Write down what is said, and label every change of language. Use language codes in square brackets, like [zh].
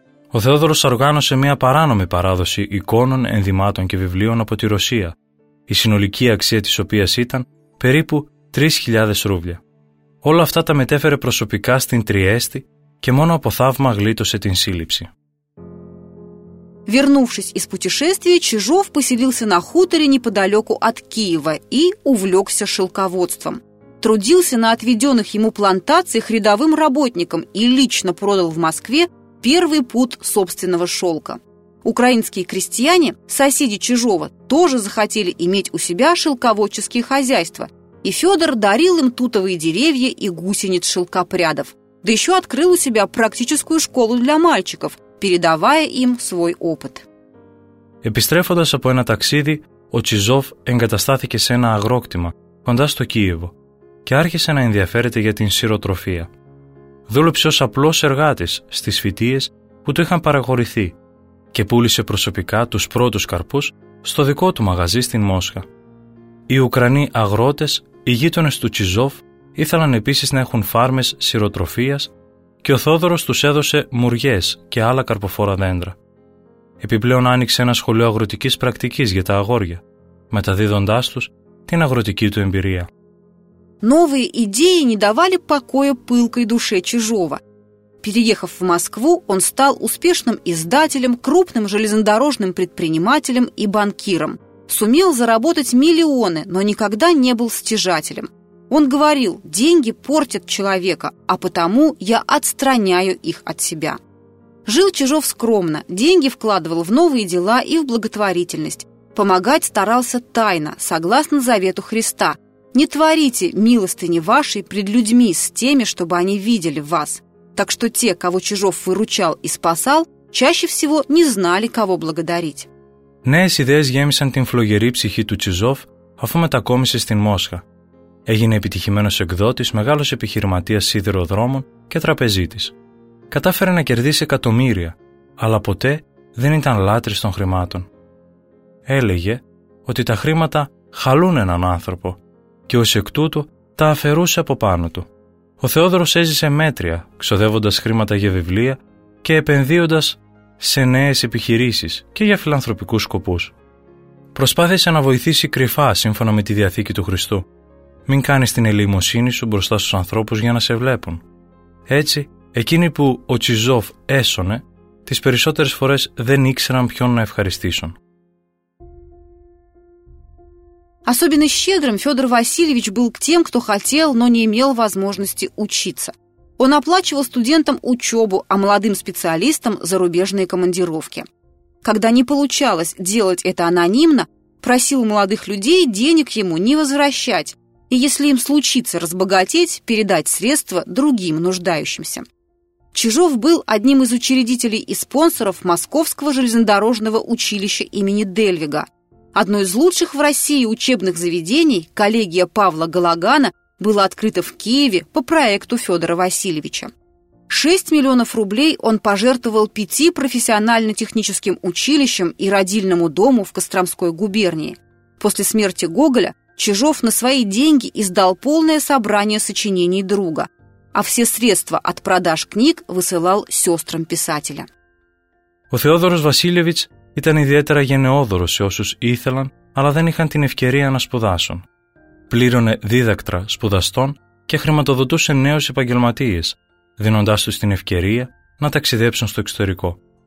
[el] Ο Θεόδωρος οργάνωσε μία παράνομη παράδοση εικόνων, ενδυμάτων και βιβλίων από τη Ρωσία, η συνολική αξία της οποίας ήταν περίπου 3.000 ρούβλια. Όλα αυτά τα μετέφερε προσωπικά στην Τριέστη και μόνο από θαύμα γλίτωσε την σύλληψη. [ru] Вернувшись из путешествия, Чижов поселился на хуторе неподалеку от Киева и увлекся шелководством. Трудился на отведенных ему плантациях рядовым работником и лично продал в Москве первый пуд собственного шелка. Украинские крестьяне, соседи чужого, тоже захотели иметь у себя шелководческие хозяйства, и Федор дарил им тутовые деревья и гусениц шелкопрядов, да еще открыл у себя практическую школу для мальчиков, передавая им свой опыт. [el] Επιστρέφοντας από ένα ταξίδι, ο Τσιζόφ εγκαταστάθηκε σε ένα αγρόκτημα κοντά στο Κίεβο και άρχισε να ενδιαφέρεται για την σιροτροφία. Δούλεψε ως απλός εργάτης στις φυτείες που του είχαν παραχωρηθεί και πούλησε προσωπικά τους πρώτους καρπούς στο δικό του μαγαζί στην Μόσχα. Οι Ουκρανοί αγρότες, οι γείτονες του Τσιζόφ, ήθελαν επίσης να έχουν φάρμες σιροτροφίας και ο Θόδωρος τους έδωσε μουριές και άλλα καρποφόρα δέντρα. Επιπλέον άνοιξε ένα σχολείο αγροτικής πρακτικής για τα αγόρια, μεταδίδοντάς τους την αγροτική του εμπειρία. [ru] Новые идеи не давали покоя пылкой душе Чижова. Переехав в Москву, он стал успешным издателем, крупным железнодорожным предпринимателем и банкиром. Сумел заработать миллионы, но никогда не был стяжателем. Он говорил: «Деньги портят человека, а потому я отстраняю их от себя». Жил Чижов скромно, деньги вкладывал в новые дела и в благотворительность. Помогать старался тайно, согласно завету Христа: «Не творите милостыни вашей пред людьми с теми, чтобы они видели вас». Так что те, кого Чижов выручал и спасал, чаще всего не знали, кого благодарить. [el] Νέες ιδέες γέμισαν την φλογερή ψυχή του Τσιζόφ, αφού μετακόμισε στην Μόσχα. Έγινε επιτυχημένος εκδότης, μεγάλος επιχειρηματίας σιδηροδρόμων και τραπεζίτης. Κατάφερε να κερδίσει εκατομμύρια, αλλά ποτέ δεν ήταν λάτρης των χρημάτων. Έλεγε ότι τα χρήματα χαλούν έναν άνθρωπο και ως εκ τούτου τα αφαιρούσε από πάνω του. Ο Θεόδωρος έζησε μέτρια, ξοδεύοντας χρήματα για βιβλία και επενδύοντας σε νέες επιχειρήσεις και για φιλανθρωπικούς σκοπούς. Προσπάθησε να βοηθήσει κρυφά σύμφωνα με τη Διαθήκη του Χριστού. Μην κάνεις την ελεημοσύνη σου μπροστά στους ανθρώπους για να σε βλέπουν. Έτσι, εκείνοι που ο Τσιζόφ έσωνε, τις περισσότερες φορές δεν ήξεραν ποιον να ευχαριστήσουν. [ru] Особенно щедрым Федор Васильевич был к тем, кто хотел, но не имел возможности учиться. Он оплачивал студентам учебу, а молодым специалистам – зарубежные командировки. Когда не получалось делать это анонимно, просил молодых людей денег ему не возвращать и, если им случится разбогатеть, передать средства другим нуждающимся. Чижов был одним из учредителей и спонсоров Московского железнодорожного училища имени Дельвига. Одно из лучших в России учебных заведений, коллегия Павла Галагана, было открыто в Киеве по проекту Федора Васильевича. 6 миллионов рублей он пожертвовал 5 профессионально-техническим училищам и родильному дому в Костромской губернии. После смерти Гоголя Чижов на свои деньги издал полное собрание сочинений друга, а все средства от продаж книг высылал сестрам писателя. У Федора Васильевича [el] ήταν ιδιαίτερα γενναιόδωρος σε όσους ήθελαν, αλλά δεν είχαν την ευκαιρία να σπουδάσουν. Πλήρωνε δίδακτρα σπουδαστών και χρηματοδοτούσε νέους επαγγελματίες, δίνοντάς τους την ευκαιρία να ταξιδέψουν στο εξωτερικό.